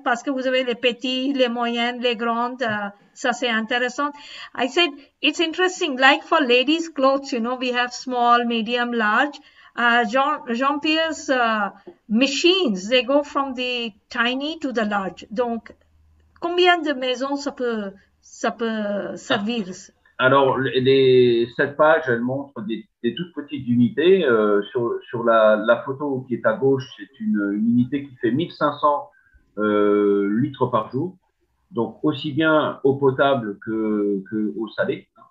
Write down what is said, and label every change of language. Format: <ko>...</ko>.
<fr>Parce que vous avez les petits, les moyennes, les grandes. Ça c'est intéressant.</fr> <en>I said it's interesting. Like for ladies' clothes, you know, we have small, medium, large. Jean-Pierre's machines, they go from the tiny to the large.</en> <fr>Donc, combien de maisons ça peut servir? Alors, cette page, elle montre des toutes petites unités. Sur la photo qui est à gauche, c'est une unité qui fait 1500 litres par jour, donc aussi bien au potable qu'au salé.</fr>